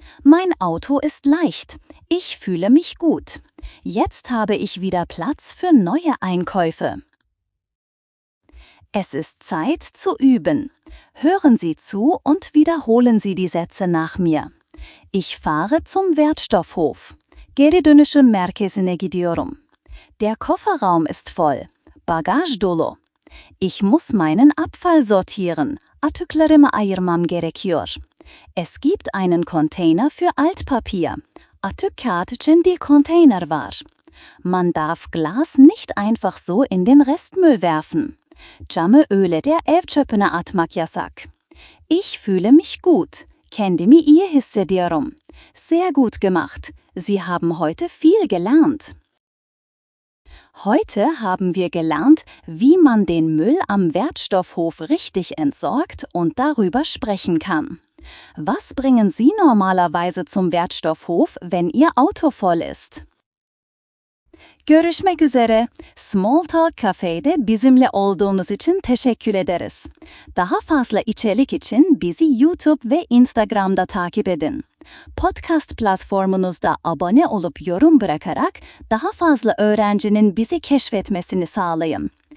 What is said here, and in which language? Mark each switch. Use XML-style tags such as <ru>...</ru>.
<de>Mein Auto ist leicht. Ich fühle mich gut. Jetzt habe ich wieder Platz für neue Einkäufe. Es ist Zeit zu üben. Hören Sie zu und wiederholen Sie die Sätze nach mir. Ich fahre zum Wertstoffhof.</de> <tr>Geri dönüşüm merkezine gidiyorum.</tr> <de>Der Kofferraum ist voll.</de> <tr>Bagaj dolu.</tr> <de>Ich muss meinen Abfall sortieren.</de> <tr>Atıklarımı ayırmam gerekiyor.</tr> <de>Es gibt einen Container für Altpapier.</de> <tr>Atık kağıt için bir konteyner var.</tr> <de>Man darf Glas nicht einfach so in den Restmüll werfen.</de> <tr>Camı öyle der ev çöpüne atmak yasak.</tr> <de>Ich fühle mich gut.</de> <tr>Kendimi iyi hissediyorum.</tr> <de>Sehr gut gemacht. Sie haben heute viel gelernt. Heute haben wir gelernt, wie man den Müll am Wertstoffhof richtig entsorgt und darüber sprechen kann. Was bringen Sie normalerweise zum Wertstoffhof, wenn Ihr Auto voll ist?</de> <tr>Görüşmek üzere. Small Talk Cafe'de bizimle olduğunuz için teşekkür ederiz. Daha fazla içerik için bizi YouTube ve Instagram'da takip edin. Podcast platformunuzda abone olup yorum bırakarak daha fazla öğrencinin bizi keşfetmesini sağlayın.</tr>